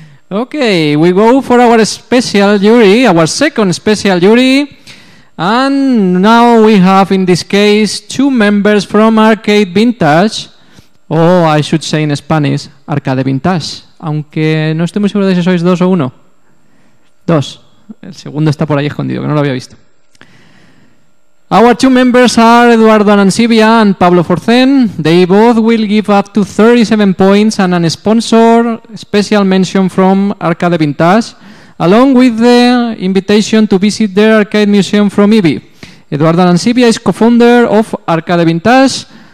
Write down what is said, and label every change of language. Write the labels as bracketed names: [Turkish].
[English] Okay, we go for our special jury, our second special jury. And now we have, in this case, two members from Arcade Vintage. Or I should say in Spanish, Arcade Vintage. [Spanish] Aunque no estoy muy seguro de si sois dos o uno. Dos. El segundo está por ahí escondido, que no lo había visto. [English] Our two members are Eduardo Arancibia and Pablo Forcén. They both will give up to 37 points and a sponsor special mention from Arcade Vintage, along with the invitation to visit their arcade museum from IBI. Eduardo Arancibia is co-founder of Arcade Vintage.